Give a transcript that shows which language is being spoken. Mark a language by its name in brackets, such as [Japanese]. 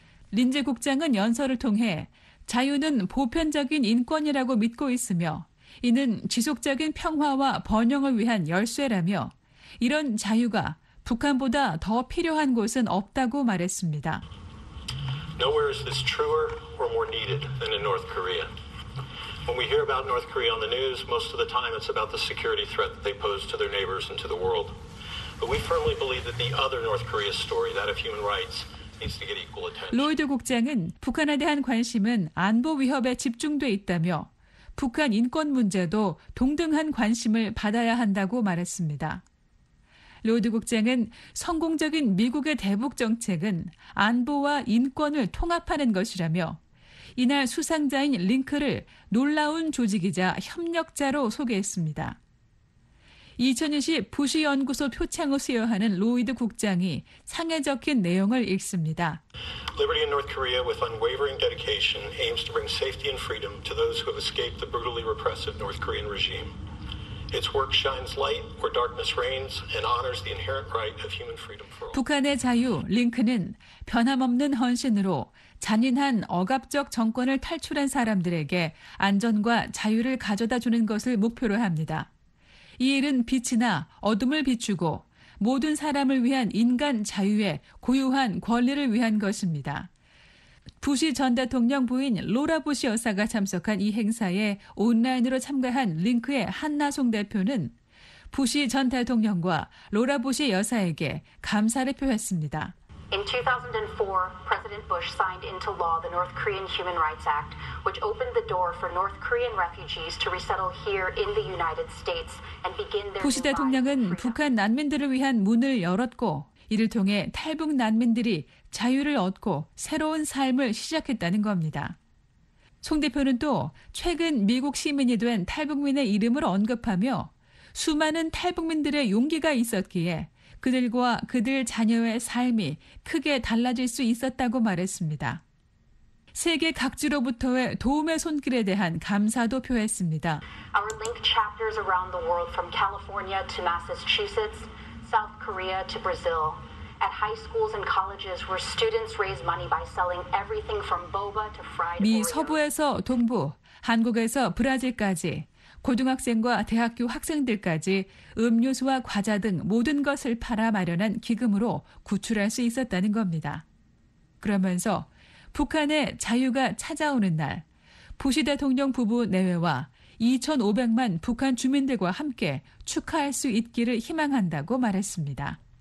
[Korean] 린지 국장은 연설을 통해 자유는 보편적인 인권이라고 믿고 있으며 이는 지속적인 평화와 번영을 위한 열쇠라며 이런 자유가 북한보다 더 필요한 곳은 없다고 말했습니다. [English] Nowhere is this truer or more needed than in North Korea. When we hear about North Korea on the news, most of the time it's about the security threat that they pose to their neighbors and to the world. But we firmly believe that the other North Korea story, that of human rights, [Korean] 로이드 국장은 북한에 대한 관심은 안보 위협에 집중돼 있다며 북한 인권 문제도 동등한 관심을 받아야 한다고 말했습니다. 로이드 국장은 성공적인 미국의 대북 정책은 안보와 인권을 통합하는 것이라며 이날 수상자인 링크를 놀라운 조직이자 협력자로 소개했습니다. 2020 부시 연구소 표창을 수여하는 로이드 국장이 상에 적힌 내용을 읽습니다. [English] Liberty in North Korea with unwavering dedication aims to bring safety and freedom to those who have escaped the brutally repressive North Korean regime. Its work shines light where darkness reigns and honors the inherent right of human freedom for all. [Korean] 북한의 자유, 링크는 변함없는 헌신으로 잔인한 억압적 정권을 탈출한 사람들에게 안전과 자유를 가져다 주는 것을 목표로 합니다. 이 일은 빛이나 어둠을 비추고 모든 사람을 위한 인간 자유의 고유한 권리를 위한 것입니다. 부시 전 대통령 부인 로라 부시 여사가 참석한 이 행사에 온라인으로 참가한 링크의 한나송 대표는 부시 전 대통령과 로라 부시 여사에게 감사를 표했습니다. [English] In 2004, President Bush signed into law the North Korean Human Rights Act, which opened the door for North Korean refugees to resettle here in the United States and begin their. [Korean] 부시 대통령은 북한 난민들을 위한 문을 열었고 이를 통해 탈북 난민들이 자유를 얻고 새로운 삶을 시작했다는 겁니다. 송 대표는 또 최근 미국 시민이 된 탈북민의 이름을 언급하며 수많은 탈북민들의 용기가 있었기에 그들과 그들 자녀의 삶이 크게 달라질 수 있었다고 말했습니다. 세계 각지로부터의 도움의 손길에 대한 감사도 표했습니다. [English] Our link chapters around the world from California to Massachusetts, South Korea to Brazil. At high schools and colleges where students raise money by selling everything from boba to fried. [Korean] 미 서부에서 동부, 한국에서 브라질까지 고등학생과 대학교 학생들까지 음료수와 과자 등 모든 것을 팔아 마련한 기금으로 구출할 수 있었다는 겁니다. 그러면서 북한의 자유가 찾아오는 날, 부시 대통령 부부 내외와 2,500만 북한 주민들과 함께 축하할 수 있기를 희망한다고 말했습니다.